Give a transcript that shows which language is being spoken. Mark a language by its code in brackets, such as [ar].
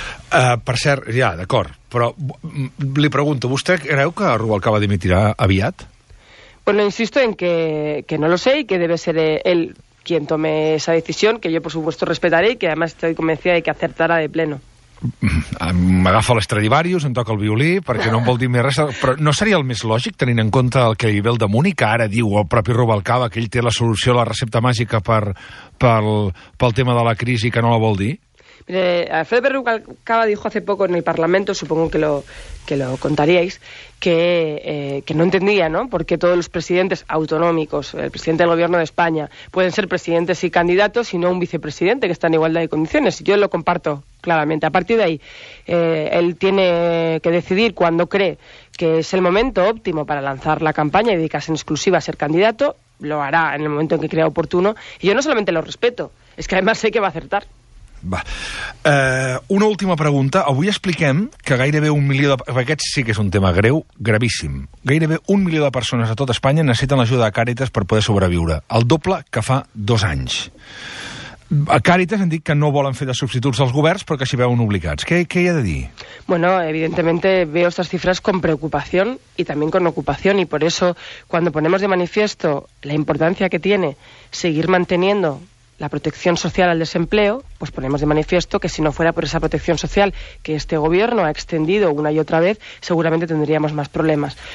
[ca] Per cert, ja, d'acord, però li pregunto, vostè creu que Rubalcaba dimitirà aviat? [es] Bueno, insisto en que no lo sé y que debe ser él quien tome esa decisión, que yo por supuesto respetaré y que además estoy convencida de que acertará de pleno. [ca] M'agafa l'Estradivarius, em toca el violí, perquè no em vol dir més res, però no seria el més lògic, tenint en compte el que hi ve al damunt i que ara diu el propi Rubalcaba que ell té la solució, la recepta màgica pel tema de la crisi, que no la vol dir? [es] Alfredo Pérez Rubalcaba dijo hace poco en el Parlamento, supongo que lo contaríais, que no entendía, ¿no?, por qué todos los presidentes autonómicos, el presidente del gobierno de España, pueden ser presidentes y candidatos y no un vicepresidente, que está en igualdad de condiciones. Yo lo comparto claramente. A partir de ahí, él tiene que decidir cuándo cree que es el momento óptimo para lanzar la campaña y dedicarse en exclusiva a ser candidato. Lo hará en el momento en que crea oportuno. Y yo no solamente lo respeto, es que además sé que va a acertar. [ca] Va. Una última pregunta. Avui expliquem que gairebé un milió de... Aquest sí que és un tema greu, gravíssim. Gairebé un milió de persones a tot Espanya necessiten l'ajuda de Càritas per poder sobreviure. El doble que fa 2 anys. A Càritas han dit que no volen fer de substituts als governs, però que s'hi veuen obligats. Què hi ha de dir? [es] Bueno, evidentemente veo estas cifras con preocupación y también con ocupación, y por eso cuando ponemos de manifiesto la importancia que tiene seguir manteniendo la protección social al desempleo, pues ponemos de manifiesto que si no fuera por esa protección social que este gobierno ha extendido una y otra vez, seguramente tendríamos más problemas.